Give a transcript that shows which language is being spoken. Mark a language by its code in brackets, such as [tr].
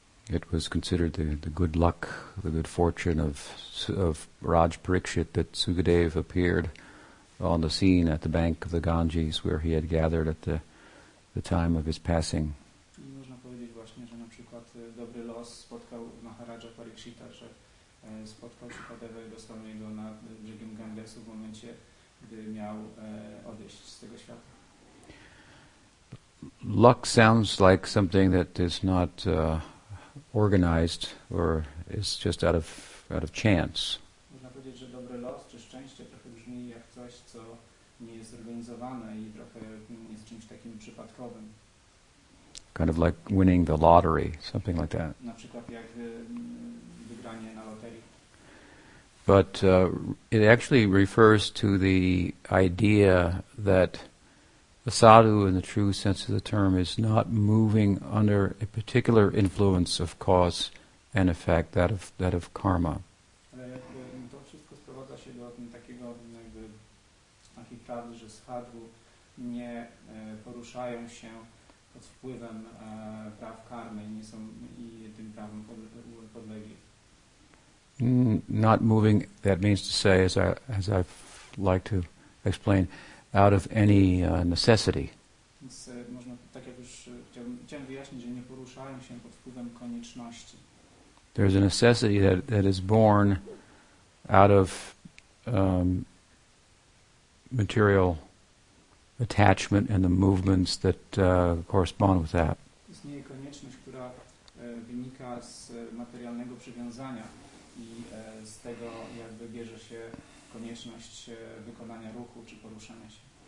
[en] It was considered the good luck, the good fortune of Raj Parikshit that Sukadeva appeared on the scene at the bank of the Ganges where he had gathered at the time of his passing. [pl] Można powiedzieć właśnie, że na przykład dobry los spotkał Maharaja Parikshita, że spotkał Sukadeva i dostał jego na brzegiem Gangesu w momencie, gdy miał odejść z tego świata. [en] Luck sounds like something that is not organized, or is just out of chance. [pl] Można powiedzieć, że dobry los czy szczęście trochę brzmi jak coś, co nie jest zorganizowane i trochę jest czymś takim przypadkowym. [en] Kind of like winning the lottery, something like that. [pl] Na przykład jak wygranie na loterii. [en] But it actually refers to the idea that a sadhu, in the true sense of the term, is not moving under a particular influence of cause and effect, that of karma. [pl] To wszystko sprowadza się do takiego jakby takiej prawdy, że sadhu nie poruszają się pod wpływem praw karmy, nie są i tym prawem podlegli. [en] Not moving, that means to say, as I like to explain, out of any necessity. [pl] Można tak jak już chciałem wyjaśnić, że nie poruszają się pod wpływem konieczności. [en] There is a necessity that is born out of material attachment and the movements that correspond with that. [pl] Istnieje konieczność, która wynika z materialnego przywiązania i z tego jakby bierze się konieczność wykonania ruchu czy poruszania się.